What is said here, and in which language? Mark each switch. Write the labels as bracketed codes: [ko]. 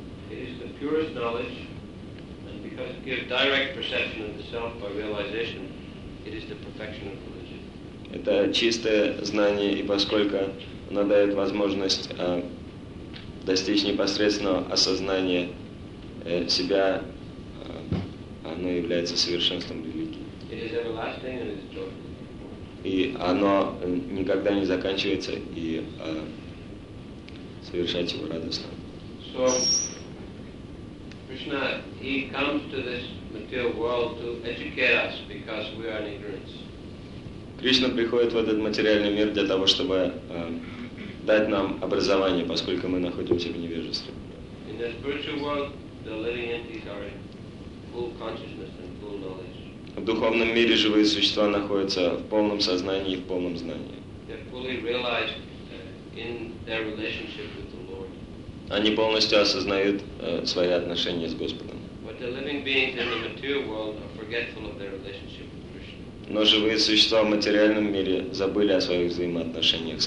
[en] It is the purest knowledge, and because it gives direct perception of the self by realization, it is the perfection of religion. [ru] Это чистое знание, и поскольку оно дает возможность достичь непосредственного осознания себя, оно является совершенством религии. [en] It is everlasting and it is joyful. [ru] И оно никогда не заканчивается, и совершать его радостно. [en] So, Krishna, he comes to this material world to educate us because we are in ignorance. [ru] Кришна приходит в этот материальный мир для того, чтобы дать нам образование, поскольку мы находимся в невежестве. [en] In the spiritual world, the living entities are in full consciousness and full knowledge. [ru] В духовном мире живые существа находятся в полном сознании и в полном знании. [en] They're fully realized in their relationship with the Lord. [ru] Они полностью осознают свои отношения с Господом. [en] But the living beings in the material world are forgetful of their relationship. [ru] Но живые существа в материальном мире забыли о своих взаимоотношениях с